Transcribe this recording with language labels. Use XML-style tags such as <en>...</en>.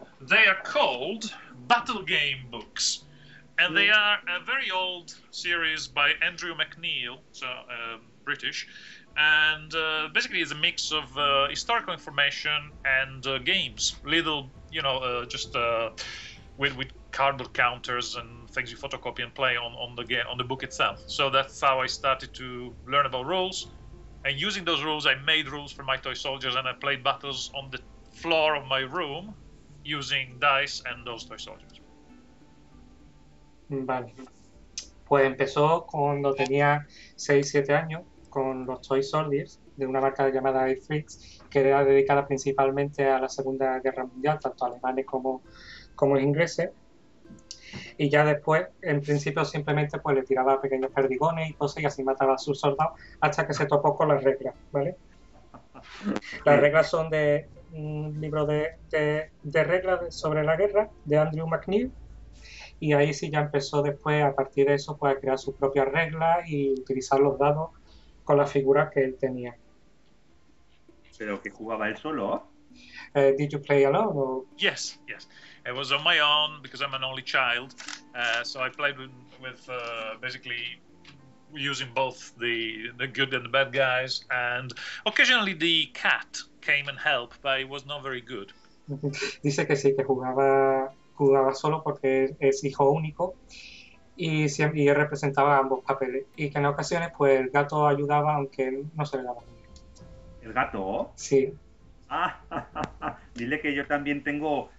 <en>They are called Battle Game Books, and they are a very old series by Andrew McNeil, so British, and basically it's a mix of historical information and games, little, you know, just with cardboard counters and things you photocopy and play on the game, on the book itself. So that's how I started to learn about rules, and using those rules, I made rules for my toy soldiers, and I played battles on the floor of my room, using dice and those toy soldiers.</en> <es>Vale. Pues empezó cuando tenía 6-7 años con los</es> <en>toy soldiers</en> <es>de una marca llamada Airfix, que era dedicada principalmente a la Segunda Guerra Mundial, tanto alemanes como ingleses. Y ya después, en principio, simplemente pues le tiraba pequeños perdigones y cosas, y así mataba a sus soldados, hasta que se topó con las reglas, ¿vale? Las reglas son de un libro de reglas sobre la guerra, de Andrew McNeil, y ahí sí ya empezó después, a partir de eso, pues a crear sus propias reglas y utilizar los dados con las figuras que él tenía. ¿Pero que jugaba él solo?</es> <en>Did you play alone? Or? Yes, yes. It was on my own because I'm an only child, so I played with basically using both the good and the bad guys, and occasionally the cat came and helped, but it was not very good.</en> <es>Dice que sí, que jugaba solo porque es hijo único y representaba ambos papeles, y que en ocasiones pues el gato ayudaba aunque él no se le daba bien. ¿El gato? Sí. Ah, dile que yo también tengo...</es>